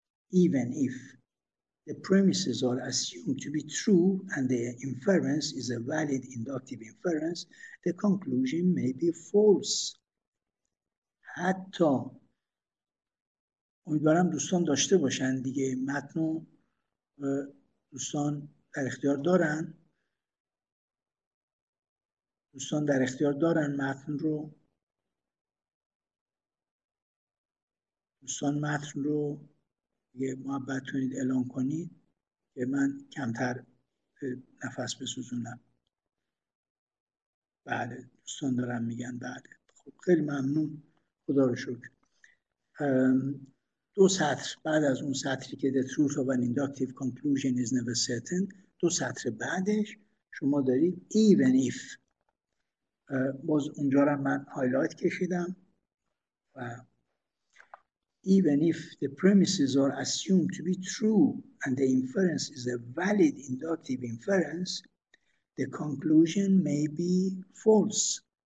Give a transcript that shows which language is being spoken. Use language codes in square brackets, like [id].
[en] Even if the premises are assumed to be true and the inference is a valid inductive inference, the conclusion may be false. [fa] حتی امیدوارم دوستان داشته باشن دیگه، متن دوستان در اختیار دارن، دوستان در اختیار دارن متن رو، دوستان متن رو یه محبتتونید اعلام کنید که من کمتر نفس بسوزونم. بله دوستان دارن میگن بله. خب خیلی ممنون، خدا رو شکر. دو سطر بعد از اون سطری که [en] the truth of an inductive conclusion is never certain، [fa] دو سطر بعدش شما دارید [en] even if. [fa] باز اونجا را من هایلایت کشیدم و [en] even if the premises are assumed to be true and the inference is a valid inductive inference, the conclusion may be false.